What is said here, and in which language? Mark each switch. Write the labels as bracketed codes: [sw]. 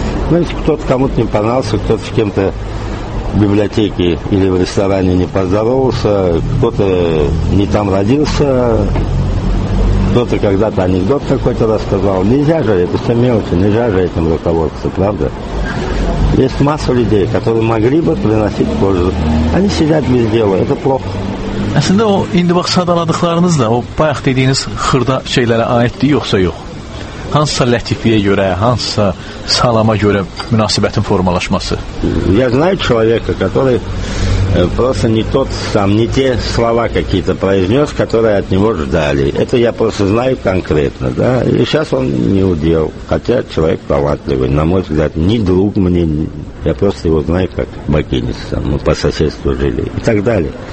[ru] Ну, если кто-то кому-то не понравился, кто-то с кем-то в библиотеке или в ресторане не поздоровался, кто-то не там родился, кто-то когда-то анекдот какой-то рассказал. Нельзя же, это все мелочи, нельзя же этим руководиться, правда? Есть масса людей, которые могли бы приносить пользу. Они сидят без дела, это плохо. [az] Əslində o indi bax sadaladıqlarınız da o bayaq dediyiniz xırda şeylərə aiddir yoxsa yox? Hansısa lətifiyə görə, hansısa salama görə münasibətin formalaşması? [ru] Я знаю человека, который просто не тот сам, не те слова какие-то произнес, которые от него ждали. Это я просто знаю конкретно, да. И сейчас он не удел, хотя человек талантливый, на мой взгляд, не друг мне, я просто его знаю как бакинеца, мы по соседству жили и так далее.